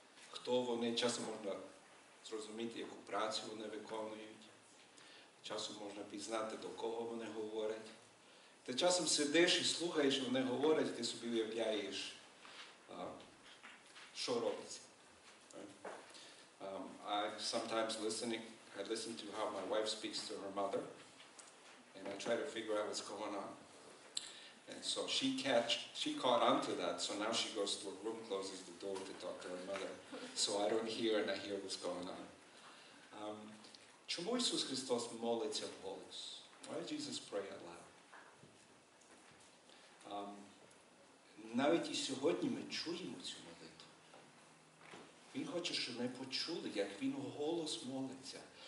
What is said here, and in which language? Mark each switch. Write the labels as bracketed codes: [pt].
[uk] Хто вони, часом можна зрозуміти, яку працю вони виконують. Часом можна пізнати, до кого вони говорять. Ти часом сидиш і слухаєш, вони говорять, і ти собі уявляєш, що робиться. [en] I sometimes listen to how my wife speaks to her mother, and I try to figure out what's going on. And so she caught on to that, so now she goes to the room, closes the door to talk to her mother. So I don't hear, and I hear what's going on. [uk] Чому Ісус Христос молиться вголос? [en] Why did Jesus pray out loud? [uk] Навіть і сьогодні ми чуємо цю молитву. Він хоче, щоб ми почули, як він вголос молиться.